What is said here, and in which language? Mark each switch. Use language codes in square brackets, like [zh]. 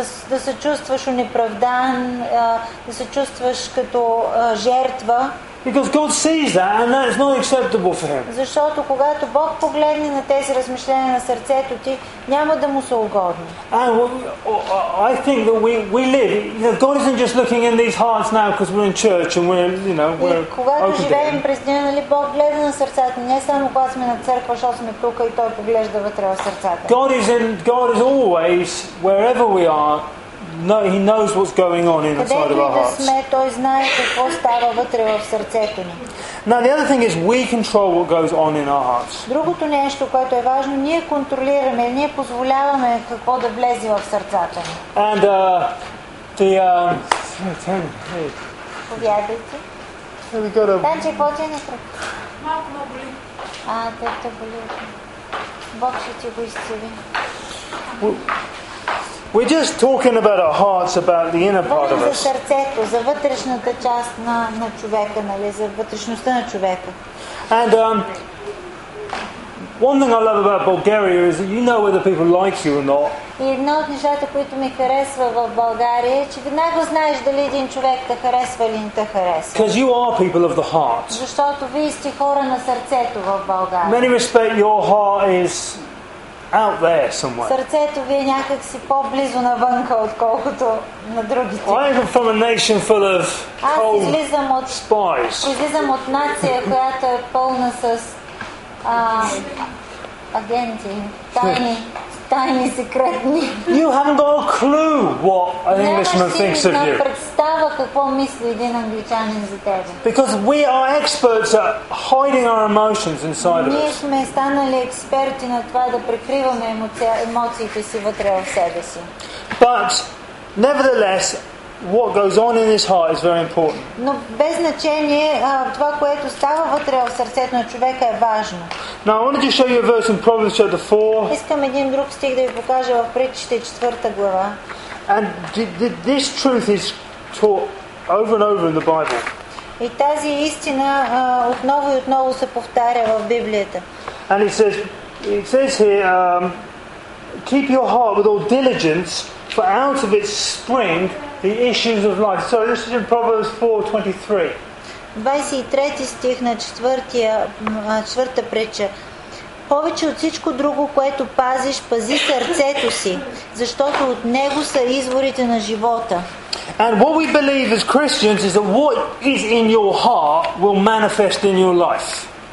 [bg] Да се чувстваш унеправдан, да се чувстваш като жертва. [en] Because God sees that and that is not acceptable for him. [bg] Защото когато Бог погледне на тези размишления на сърцето ти, няма да му се угодно. [en] I think that we live, you know, God isn't just looking in these hearts now because we're in church and we're [bg] когато живеем през деня, нали, Бог гледа на сърцата, не само когато сме на църква, защото сме тук и той поглежда вътре в сърцата. [en] God is always wherever we are. No, he knows what's going on inside of our hearts. [bg] Той знае какво става вътре в сърцето ни. [en] Now the other thing is we control what goes on in our hearts. [bg] Другото нещо, което е важно, ние контролираме, ние позволяваме какво да влезе в сърцата ни. [en] And we're just talking about our hearts, about the inner part of us. [bg] За вътрешната част на човека, нали, за вътрешността на човека. [en] And one thing I love about Bulgaria is that you know whether people like you or not. [bg] И едно от нещата, които ми харесва в България, е, че веднага знаеш дали един човек те харесва или не те харесва. [en] Because you are people of the heart. [bg] Защото вие сте хора на сърцето в България. [en] Many respect your heart is out there somewhere. [bg] Сърцето ви е някак си по-близо навънка, отколкото на другите. [en] I am from a nation full of cold spies. [bg] Излизам от нация, която е пълна с агенти, тайни, секретни. [en] You haven't got a clue what an Englishman thinks of you. [bg] Представа какво мисли един англичанин за теб. [en] Because we are experts at hiding our emotions inside of us. [bg] Ние сме станали експерти на това да прикриваме емоциите си вътре в себе си. [en] But nevertheless, what goes on in his heart is very important. [bg] Но без значение това, което става вътре в сърцето на човека, е важно. [en] Now I wanted to show you a verse in Proverbs chapter 4. [bg] Искам един друг стих да ви покажа в Притчите 4 глава. [en] And this truth is taught over and over in the Bible. [bg] И тази истина отново и отново се повтаря в Библията. [en] And it says here, keep your heart with all diligence, for out of its spring the issues of life. So this is in Proverbs 4:23. [bg] 23 стих на 4-та притча. Повече от всичко друго, което пазиш, пази сърцето си, защото от него са изворите на живота. And what we believe as Christians is that what is in your heart will manifest in your life.